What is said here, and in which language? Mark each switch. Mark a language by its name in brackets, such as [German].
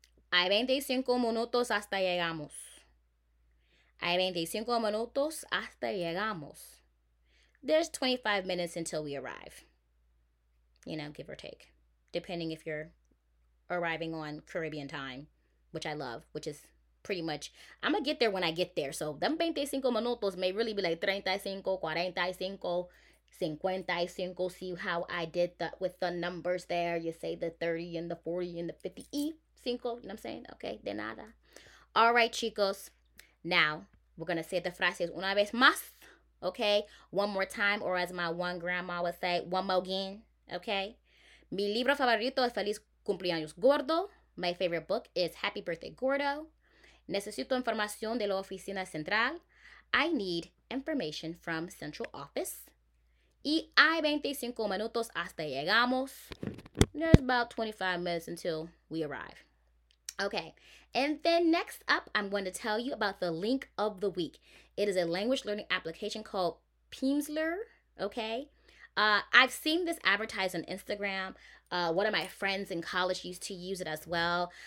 [Spanish] Hay 25 minutos hasta llegamos. Hay 25 minutos hasta llegamos. [English] There's 25 minutes until we arrive, you know, give or take, depending if you're arriving on Caribbean time, which I love, which is pretty much, I'm going to get there when I get there. So, them 25 minutos may really be like 35, 45, 55. See how I did that with the numbers there. You say the 30 and the 40 and the 50. Cinco. You know what I'm saying? Okay. [Spanish] De nada. [English] All right, chicos. Now, we're going to say the frases [Spanish] una vez más. [English] Okay. One more time. Or as my one grandma would say, one more again. Okay. [Spanish] Mi libro favorito es Feliz Cumpleaños Gordo. [English] My favorite book is Happy Birthday Gordo. [Spanish] Necesito información de la oficina central. [English] I need information from central office. [Spanish] Y hay 25 minutos hasta llegamos. [English] There's about 25 minutes until we arrive. Okay, and then next up, I'm going to tell you about the link of the week. It is a language learning application called Peemsler, okay? I've seen this advertised on Instagram. One of my friends in college used to use it as well.